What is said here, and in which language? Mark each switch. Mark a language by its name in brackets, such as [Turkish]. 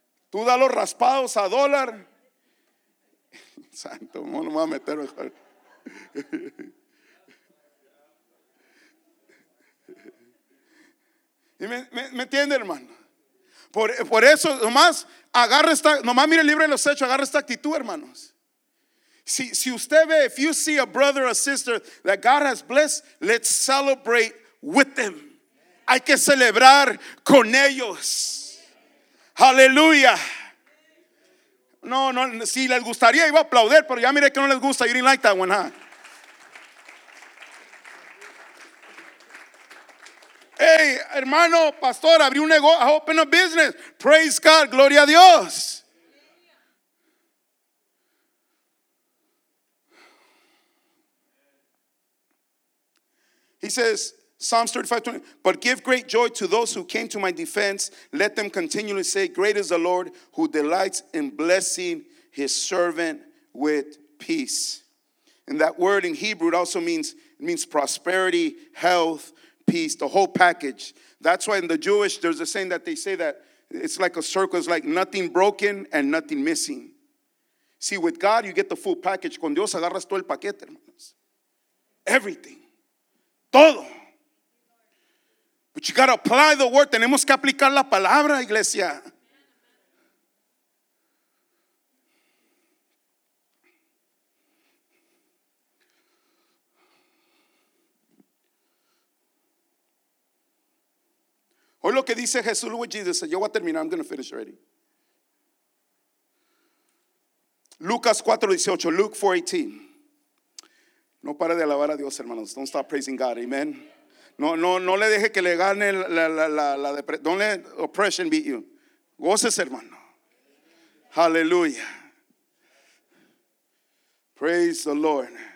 [Spanish] Tú da los raspados a dólar. Santo, no me voy a meter mejor. ¿Me entiende, hermano? Por eso, nomás agarra esta, nomás mire el libro de los hechos, agarra esta actitud, hermanos. Si usted ve, [English] if you see a brother or sister that God has blessed, let's celebrate with them. [Spanish] Hay que celebrar con ellos. Aleluya. No, no, si les gustaría iba a aplaudir, pero ya mire que no les gusta. [English] You didn't like that one, huh? [Spanish] Hey, hermano, pastor, abrí un negocio. [English] Open a business. Praise God, [Spanish] gloria a Dios. [English] He says, Psalms 35:20, but give great joy to those who came to my defense. Let them continually say, great is the Lord who delights in blessing his servant with peace. And that word in Hebrew, it also means prosperity, health, peace, the whole package. That's why in the Jewish, there's a saying that they say that it's like a circle. It's like nothing broken and nothing missing. See, with God, you get the full package. [Spanish] Con Dios agarras todo el paquete, hermanos. Everything. Todo. [English] But you gotta apply the word. [Spanish] Tenemos que aplicar la palabra, iglesia. Hoy lo que dice Jesús, Luke Jesus, yo voy a terminar, [English] I'm gonna finish already. [Spanish] Lucas 4:18. No pare de alabar a Dios, hermanos. [English] Don't stop praising God. Amen. [Spanish] No, no, no le deje que le gane la depresión. [English] Don't let oppression beat you. [Spanish] Goces, hermano. Hallelujah. [English] Praise the Lord.